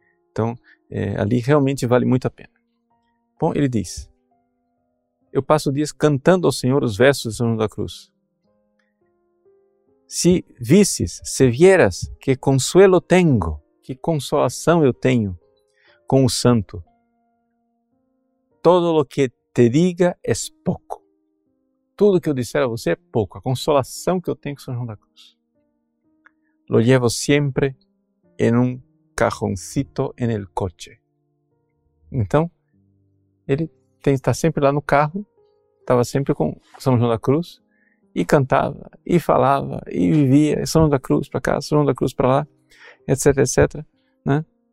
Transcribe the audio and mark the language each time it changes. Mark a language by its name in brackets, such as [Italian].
[Portuguese] Então, ali realmente vale muito a pena. Bom, ele diz, eu passo dias cantando ao Senhor os versos de São João da Cruz. [Spanish] Se visses, se vieras, que consuelo tengo, [Portuguese] que consolação eu tenho com o santo. [Spanish] Todo lo que te diga es poco. [Portuguese] Tudo que eu disser a você é pouco. A consolação que eu tenho com São João da Cruz. [Spanish] Lo llevo siempre en un cajoncito en el coche. [Portuguese] Então, ele está sempre lá no carro, estava sempre com São João da Cruz, e cantava, e falava, e vivia, São João da Cruz para cá, São João da Cruz para lá, etc, etc. Né?